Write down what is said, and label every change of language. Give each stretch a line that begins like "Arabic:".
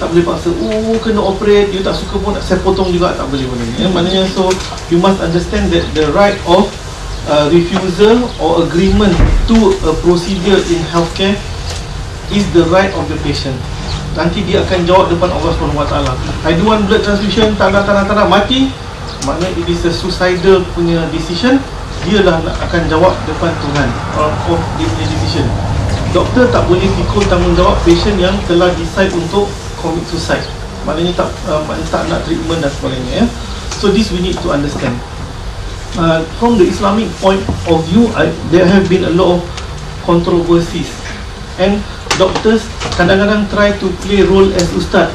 Malay: Tak boleh paksa, kena operate, you tak suka pun, saya potong juga, tak boleh benda ni. Yeah? Maknanya,
English: so you must understand that the right of refusal or agreement to a procedure in healthcare is the right of the patient.
Malay: Nanti dia akan jawab depan Allah SWT.
English: I do want blood transfusion,
Malay: tanda mati. Maknanya
English: it is a suicidal
Malay: punya decision. Dia lah akan jawab depan Tuhan of dia punya decision. Doktor tak boleh pikul tanggungjawab patient yang telah decide untuk commit suicide. Maknanya tak nak treatment dan sebagainya.
English: Yeah? So this we need to understand. From the Islamic point of view, there have been a lot of controversies. And doctors
Malay: kadang-kadang
English: try to play role as ustaz.